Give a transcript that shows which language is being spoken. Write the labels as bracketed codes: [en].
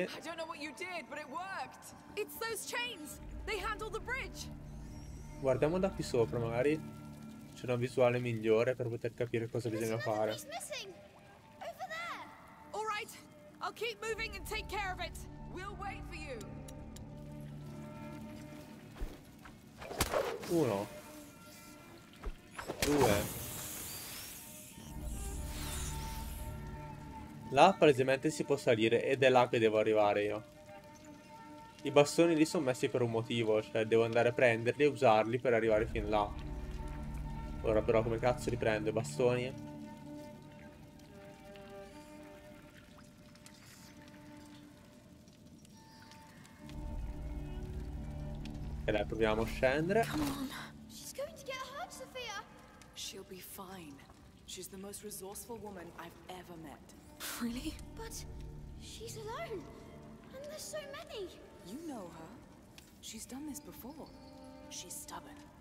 [en] I don't know what you did, but it worked. It's those chains. They handle the bridge. [it] Guardiamo da qui sopra, magari c'è una visuale migliore per poter capire cosa bisogna fare. [en] Over there. All right. I'll keep moving and take care of it. We'll wait for you. [it] Uno. Due. Là palesemente si può salire ed è là che devo arrivare io. I bastoni lì sono messi per un motivo, cioè devo andare a prenderli e usarli per arrivare fin là. Ora però come cazzo li prendo i bastoni? E dai, proviamo a scendere. [en] Come on, she's going to get hurt, Sophia. She'll be fine. She's the most resourceful woman I've ever met. Really? But she's alone. And there's so many. You know her. She's done this before. She's stubborn.